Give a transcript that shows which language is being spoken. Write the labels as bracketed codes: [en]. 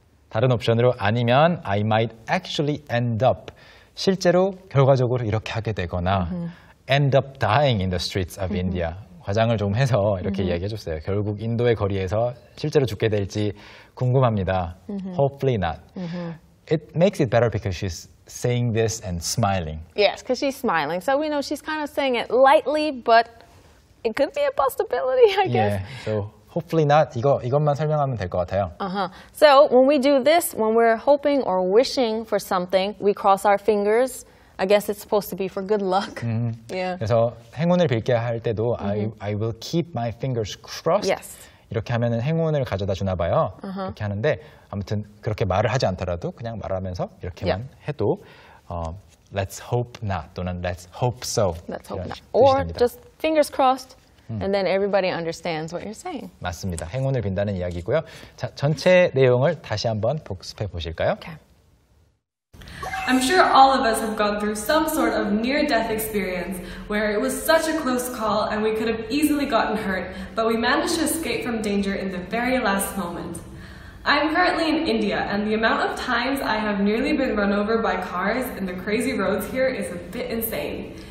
[ko] 다른 옵션으로 아니면 [en] I might actually end up [ko] 실제로 결과적으로 이렇게 하게 되거나 [en] end up dying in the streets of India. [ko] 과장을 좀 해서 이렇게 이야기해줬어요. 결국 인도의 거리에서 실제로 죽게 될지 궁금합니다. [en] Hopefully not. It makes it better because she's saying this and smiling. Yes, because she's smiling. So we know she's kind of saying it lightly, but it could be a possibility, I guess. Yeah, so hopefully not. [ko] 이것만 설명하면 될 것 같아요. [en] So when we do this, when we're hoping or wishing for something, we cross our fingers. I guess it's supposed to be for good luck. Yeah. [ko] 그래서 행운을 빌게 할 때도 [en] I will keep my fingers crossed. Yes. [ko] 이렇게 하면은 행운을 가져다 주나 봐요. 이렇게 하는데 아무튼 그렇게 말을 하지 않더라도 그냥 말하면서 이렇게만 해도 [en] let's hope not [ko] 또는 [en] let's hope so. Let's hope not. Or just fingers crossed and then everybody understands what you're saying. [ko] 맞습니다. 행운을 빈다는 이야기고요. 자, 전체 내용을 다시 한번 복습해 보실까요? [en] Okay. I'm sure all of us have gone through some sort of near-death experience where it was such a close call and we could have easily gotten hurt, but we managed to escape from danger in the very last moment. I'm currently in India, and the amount of times I have nearly been run over by cars in the crazy roads here is a bit insane.